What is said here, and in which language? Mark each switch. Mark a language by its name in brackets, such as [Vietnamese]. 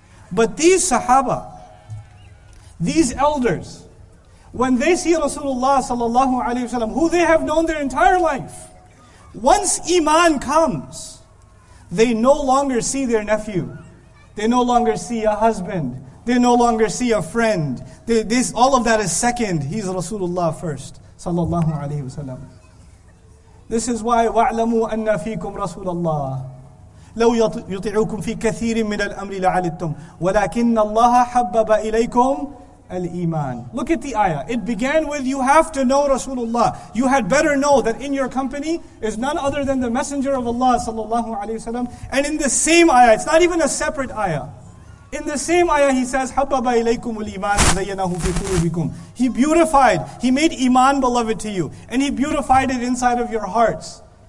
[English] But these sahaba, these elders, when they see Rasulullah sallallahu alayhi wa sallam, who they have known their entire life, once Iman comes, they no longer see their nephew. They no longer see a husband. They no longer see a friend. All of that is second. He's Rasulullah first, sallallahu alaihi wasallam. This is why, [Arabic] وَاعْلَمُوا أَنَّ فِيكُمْ رَسُولَ اللَّهِ. لو يطيعوكم في كثير من الأمر لعلتم ولكن الله حبب إليكم الإيمان. [English] Look at the ayah. It began with you have to know Rasulullah. You had better know that in your company is none other than the Messenger of Allah sallallahu alaihi wasallam. And in the same ayah, it's not even a separate ayah. In the same ayah, he says, [Arabic] حَبَّبَ إِلَيْكُمُ الْإِيمَانَ زَيَّنَهُ فِي قُلُوبِكُمْ. [English] He beautified, he made iman beloved to you. And he beautified it inside of your hearts.